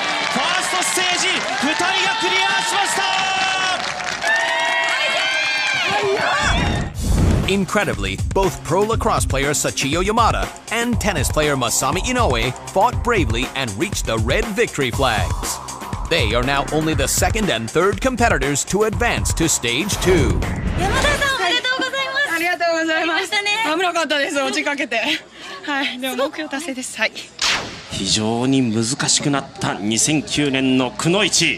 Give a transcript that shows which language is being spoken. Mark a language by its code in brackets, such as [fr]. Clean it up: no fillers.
[ja] ファーストステージ2人がクリアしました。 [en] Incredibly, both pro lacrosse player Sachio Yamada and tennis player Masami Inoue fought bravely and reached the red victory flags. They are now only the second and third competitors to advance to stage two. [ja] Yamada-san, ありがとうございます。ましたね。危なかったです。落ちかけて。はい、でも目標達成です。はい。非常に難しくなった2009年のくのいち。